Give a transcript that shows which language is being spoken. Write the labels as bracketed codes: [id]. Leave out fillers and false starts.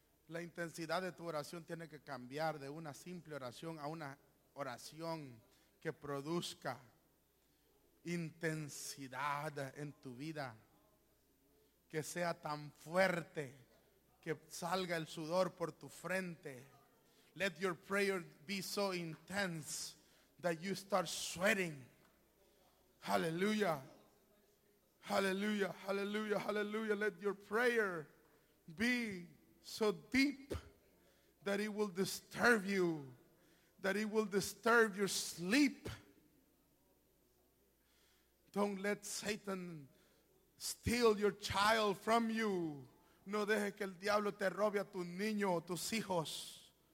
[es] La intensidad de tu oración tiene que cambiar de una simple oración a una oración que produzca intensidad en tu vida. Que sea tan fuerte que salga el sudor por tu frente. [en] Let your prayer be so intense that you start sweating. Hallelujah, hallelujah, hallelujah, hallelujah. Let your prayer be so deep that it will disturb you, that it will disturb your sleep. Don't let Satan steal your child from you. [es] No deje que el diablo te robe a tu niño o tus hijos.